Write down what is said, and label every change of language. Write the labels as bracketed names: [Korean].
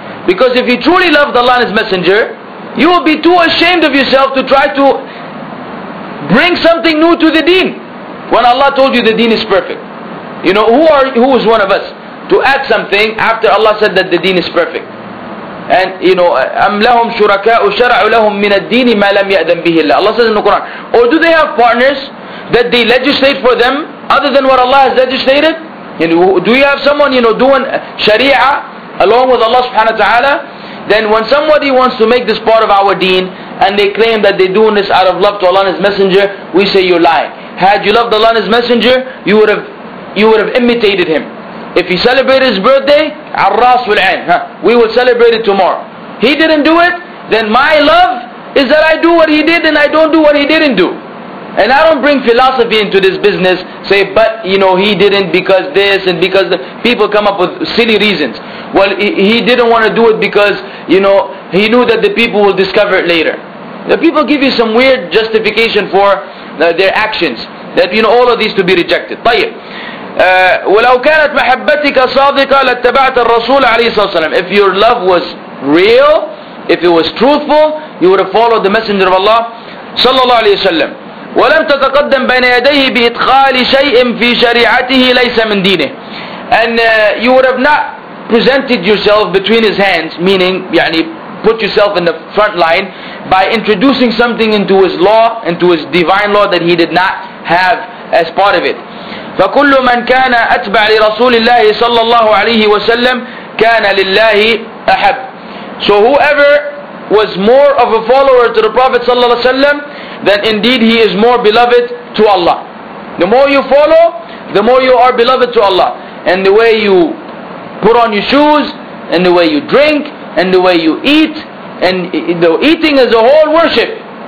[English] Because if you truly love Allah and His Messenger, you will be too ashamed of yourself to try to bring something new to the deen. When Allah told you the deen is perfect. You know, who is one of us to add something after Allah said that the deen is perfect? And you know, [Arabic] أَمْ لَهُمْ شُرَكَاءُ شَرَعُ لَهُمْ مِنَ الدِّينِ مَا لَمْ يَأْذَنْ بِهِ اللَّهِ. [English] Allah says in the Quran. Or do they have partners that they legislate for them other than what Allah has legislated? You know, do you have someone, you know, doing sharia along with Allah subhanahu wa ta'ala? Then when somebody wants to make this part of our deen and they claim that they're doing this out of love to Allah and His Messenger, we say you're lying. Had you loved Allah and His Messenger, you would have imitated Him. If he celebrated his birthday, [Arabic] عَرَّاس وَالْعَيْنِ, [English] huh? We will celebrate it tomorrow. He didn't do it, then my love is that I do what he did and I don't do what he didn't do. And I don't bring philosophy into this business, say, but you know, he didn't because this and because the people come up with silly reasons. Well, he didn't want to do it because, you know, he knew that the people will discover it later. The people give you some weird justification for their actions, that you know all of these to be rejected. [Arabic] طيب ولو كانت محبتك صادقة لاتبعت الرسول عليه الصلاة والسلام. [English] If your love was real, if it was truthful, you would have followed the messenger of Allah [Arabic] صلى الله عليه وسلم. ولم تتقدم بين يديه بإدخال شيء في شريعته ليس من دينه. [English] And you would have not presented yourself between his hands, meaning يعني put yourself in the front line by introducing something into his law, into his divine law that he did not have as part of it. [Arabic] فكل من كان أتبع لرسول الله صلى الله عليه وسلم كان لله أحب. [English] So whoever was more of a follower to the Prophet [Arabic] صلى الله عليه وسلم, [English] then indeed he is more beloved to Allah. The more you follow, the more you are beloved to Allah. And the way you put on your shoes, and the way you drink, and the way you eat, and the eating is a whole worship.